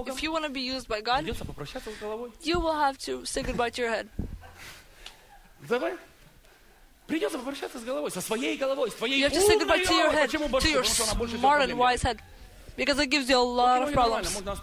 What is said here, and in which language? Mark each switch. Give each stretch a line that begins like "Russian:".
English: If you want to be used by God, you will have to say goodbye to your head.
Russian: Давай. Придется попрощаться с головой, со своей головой, с твоей
English: you have to say goodbye to your head, to your smart and wise head. Because it gives you a lot of problems.